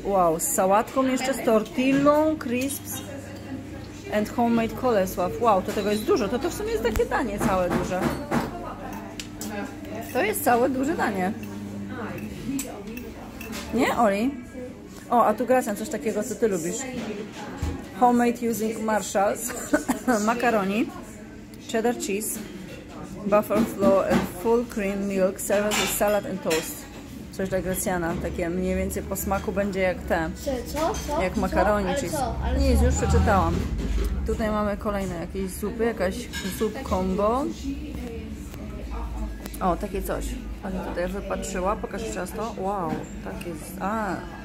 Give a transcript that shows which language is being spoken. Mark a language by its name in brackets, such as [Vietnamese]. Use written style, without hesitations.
[Polish] Wow, z sałatką jeszcze, z tortillą, [English] crisps and homemade [Polish] kolesław. Wow, to tego jest dużo. To w sumie jest takie danie całe duże. To jest całe duże danie. Nie, Oli? O, a tu Gracjan, coś takiego, co Ty lubisz. [English] Homemade using Marshalls, macaroni, cheddar cheese, buffalo and full cream milk, served with salad and toast. [Polish] Coś dla Gracjana, takie mniej więcej po smaku będzie jak te. Co? Jak makaroni, cheese. Nie, już przeczytałam. Tutaj mamy kolejne jakieś zupy, jakaś zup combo. O, takie coś. Ale tutaj wypatrzyła, pokaż teraz to. Wow, tak jest. A.